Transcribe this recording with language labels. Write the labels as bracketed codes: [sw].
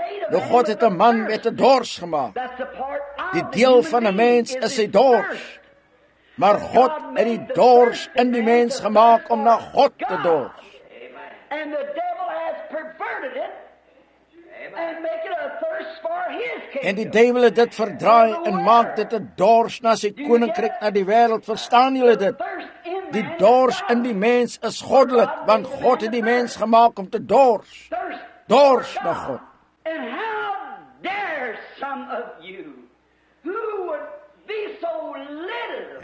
[af] Nou God het 'n man met 'n dors gemaak. Die deel van 'n mens is sy dors, maar God het die dors in die mens gemaak om na God te dors. [en] And the devil has perverted it and make it a thirst for his kingdom. [af] En die duivel het dit verdraai en maak dit 'n dors na sy koninkryk, na die wêreld. Verstaan julle dit? Die dors in die mens is goddelik, want God het die mens gemaak om te dors. Dors na God. [en] And how dare some of you who would be so little.